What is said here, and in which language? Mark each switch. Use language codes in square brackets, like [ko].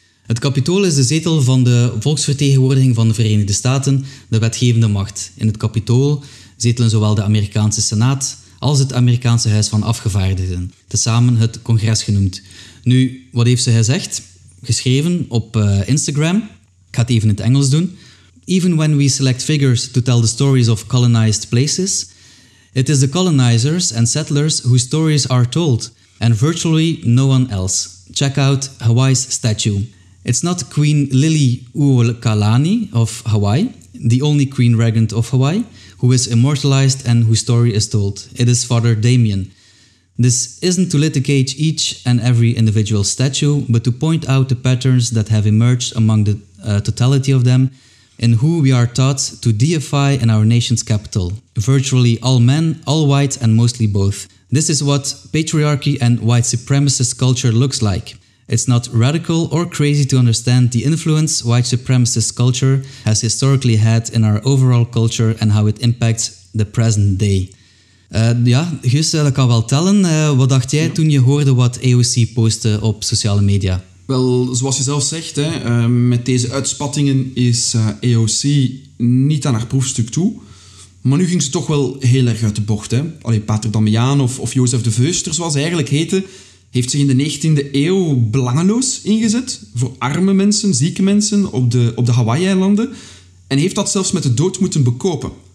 [nl] Het Capitool is de zetel van de volksvertegenwoordiging van de Verenigde Staten, de wetgevende macht. In het Capitool zetelen zowel de Amerikaanse Senaat als het Amerikaanse Huis van Afgevaardigden, tezamen het congres genoemd. Nu, wat heeft ze gezegd? Geschreven op Instagram. Ik ga het even in het Engels doen. [en] Even when we select figures to tell the stories of colonized places, it is the colonizers and settlers whose stories are told, and virtually no one else. Check out Hawaii's statue. It's not Queen Liliuokalani of Hawaii, the only Queen Regent of Hawaii, who is immortalized and whose story is told. It is Father Damien. This isn't to litigate each and every individual statue, but to point out the patterns that have emerged among the totality of them in who we are taught to deify in our nation's capital. Virtually all men, all white, and mostly both. This is what patriarchy and white supremacist culture looks like. It's not radical or crazy to understand the influence white supremacist culture has historically had in our overall culture and how it impacts the present day. [nl] Ja, Guus, dat kan wel tellen. Wat dacht jij toen je hoorde wat AOC postte op sociale media? Wel, zoals je zelf zegt, hè, met deze uitspattingen is AOC niet aan haar proefstuk toe. Maar nu ging ze toch wel heel erg uit de bocht. Hè. Allee, Pater Damiaan of Jozef de Veuster, zoals hij eigenlijk heette, heeft zich in de 19e eeuw belangeloos ingezet voor arme mensen, zieke mensen op de Hawaii-eilanden en heeft dat zelfs met de dood moeten bekopen.